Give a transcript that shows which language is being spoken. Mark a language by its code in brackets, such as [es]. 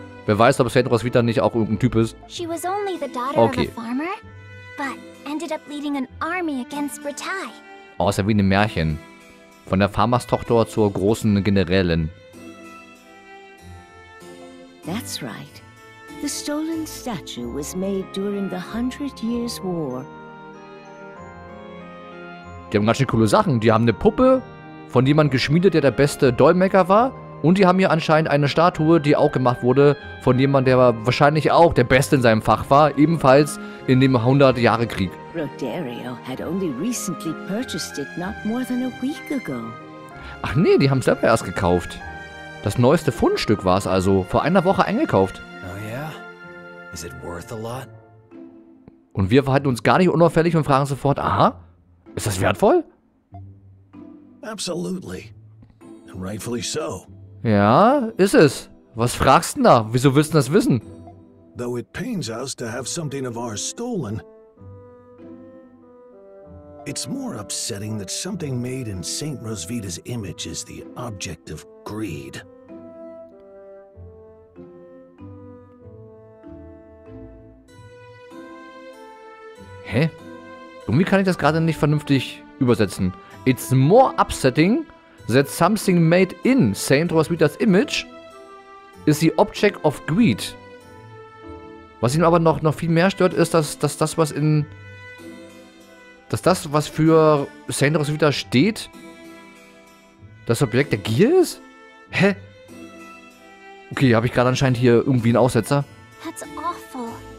[de] Wer weiß, ob Saint Roswitha nicht auch irgendein Typ ist. [en] She was only the daughter of a farmer, but ended up leading an army against Britai. [de] Oh, ist ja wie ein Märchen. Von der Farmerstochter zur großen Generälin. [en] That's right. The stolen statue was made during the Hundred Years' War. [de] Die haben ganz schön coole Sachen. Die haben eine Puppe von jemand geschmiedet, der beste Dolmetscher war. Und die haben hier anscheinend eine Statue, die auch gemacht wurde von jemandem, der wahrscheinlich auch der Beste in seinem Fach war, ebenfalls in dem 100-Jahre-Krieg. [en] Rodario had only recently purchased it not more than a week ago. [de] Ach nee, die haben es selber erst gekauft. Das neueste Fundstück war es also, vor einer Woche eingekauft. [en] Oh yeah? Is it worth a lot? [de] Und wir verhalten uns gar nicht unauffällig und fragen sofort, aha, ist das wertvoll? [en] Absolutely. Rightfully so. [de] Ja, ist es. Was fragst du da? Wieso willst du das wissen? [en] Though it pains us to have something of ours stolen, It's more upsetting that something made in Saint Rosvita's image is the object of greed. Hä? [de] Irgendwie kann ich das gerade nicht vernünftig übersetzen. [en] It's more upsetting that something made in Saint Rosvita's image is the object of greed. [de] Was ihn aber noch viel mehr stört, ist, dass das, was für Saint Rosvita steht, das Objekt der Gier ist? Hä? Okay, habe ich gerade anscheinend hier irgendwie einen Aussetzer. [en] That's awful.